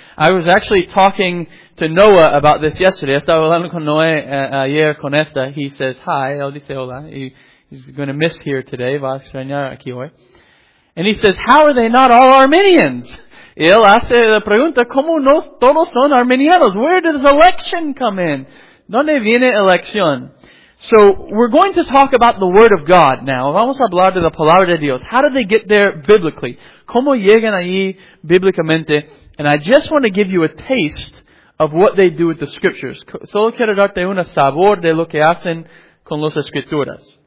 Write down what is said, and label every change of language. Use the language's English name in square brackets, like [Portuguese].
[English] I was actually talking to Noah about this yesterday. [Spanish] Estaba hablando con Noah ayer con esta. [English] He says hi. [Spanish] Él dice hola. [English] He's going to miss here today. [Spanish] Va a extrañar aquí hoy. [English] And he says, how are they not all Arminians? [Spanish] Y él hace la pregunta, ¿cómo no todos son arminianos? [English] Where does election come in? [Spanish] ¿Dónde viene elección? [English] So, we're going to talk about the Word of God now. [Spanish] Vamos a hablar de la Palabra de Dios. [English] How do they get there biblically? [Spanish] ¿Cómo llegan allí bíblicamente? [English] And I just want to give you a taste of what they do with the Scriptures. [Spanish] Solo quiero darte un sabor de lo que hacen con las Escrituras.